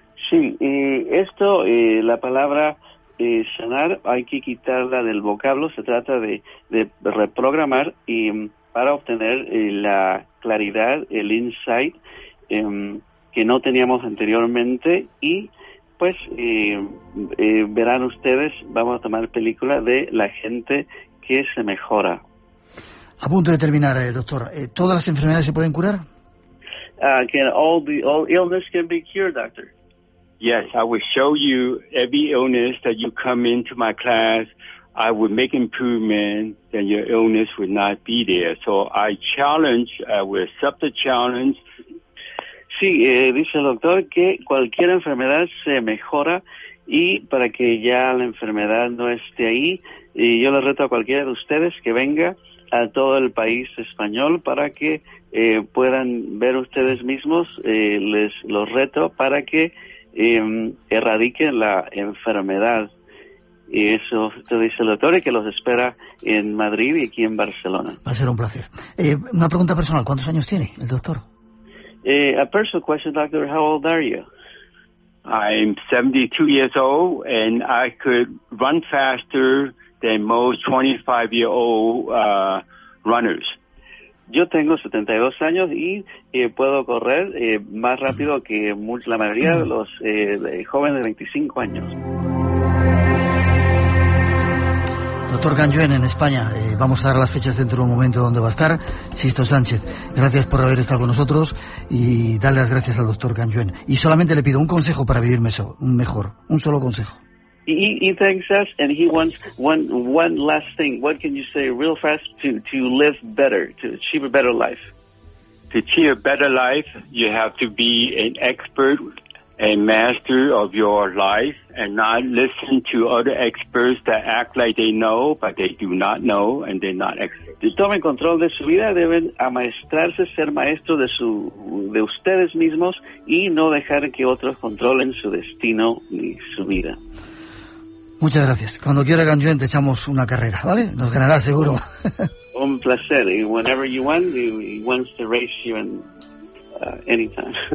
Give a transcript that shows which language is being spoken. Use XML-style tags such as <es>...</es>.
<es>Sí, la palabra sanar hay que quitarla del vocablo, se trata de reprogramar y para obtener la claridad, el insight que no teníamos anteriormente y... Pues verán ustedes, vamos a tomar película de la gente que se mejora. A punto de terminar, doctor, ¿todas las enfermedades se pueden curar?</es> <en>Can all illness can be cured, doctor. Yes, I will show you every illness that you come into my class. I will make improvement, and your illness will not be there. So I challenge, I will accept the challenge.</en> <es>Sí, dice el doctor que cualquier enfermedad se mejora y para que ya la enfermedad no esté ahí. Y yo le reto a cualquiera de ustedes que venga a todo el país español para que puedan ver ustedes mismos. Les los reto para que erradique la enfermedad. Y eso te dice el doctor, y que los espera en Madrid y aquí en Barcelona. Va a ser un placer. Una pregunta personal, ¿cuántos años tiene el doctor?</es> <en>A personal question, doctor, how old are you? I'm 72 years old, and I could run faster than most 25-year-old runners.</en> <es>Yo tengo 72 años y puedo correr más rápido que la mayoría de los jóvenes de 25 años. Doctor Ganyuen, en España. Vamos a dar las fechas dentro de un momento donde va a estar. Sisto Sánchez, gracias por haber estado con nosotros y darle las gracias al doctor Ganyuen. Y solamente le pido un consejo para vivir mejor. Un solo consejo.</es> <en>He thanks us and he wants one last thing. What can you say real fast to live better, to achieve a better life? To achieve a better life, you have to be an expert, a master of your life, and not listen to other experts that act like they know, but they do not know, and they're not experts.</en> <es>Tomen control de su vida, deben amaestrarse, ser maestro de ustedes mismos y no dejar que otros controlen su destino ni su vida. Muchas gracias. Cuando quiera, Ganyuen, te echamos una carrera, ¿vale? Nos ganará seguro. Un placer.</es> <en>Y whenever you want, he wants to race you anytime.</en>